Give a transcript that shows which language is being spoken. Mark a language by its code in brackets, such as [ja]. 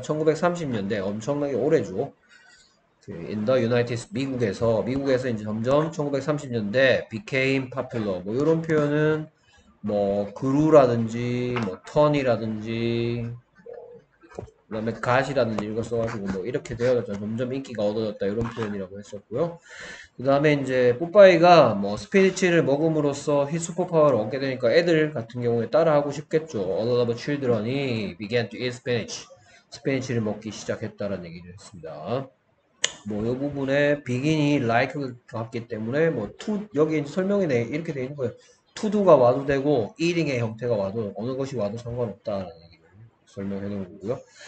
[ko] 1930년대 엄청나게 오래죠. 인더 유나이티드 미국에서 이제 점점 1930년대 [en] became popular [ko] 뭐 이런 표현은 뭐 그루라든지 뭐 턴이라든지 뭐 그다음에 갓이라든지 이걸 써가지고 뭐 이렇게 되어졌죠. 점점 인기가 얻어졌다 이런 표현이라고 했었고요. 그 다음에 이제 뽀빠이가 뭐 스피니치를 먹음으로써 히 슈퍼파워를 얻게 되니까 애들 같은 경우에 따라하고 싶겠죠. [en] All of the children이 began to eat spinach. [ko] 스피니치를 먹기 시작했다라는 얘기를 했습니다. 뭐요 부분에 begin이 like 같기 때문에 뭐 to 여기 설명이 이렇게 되어 있는 거예요. to도가 와도 되고 eating의 형태가 와도 어느 것이 와도 상관없다라는 얘기를 설명해 놓은 거고요.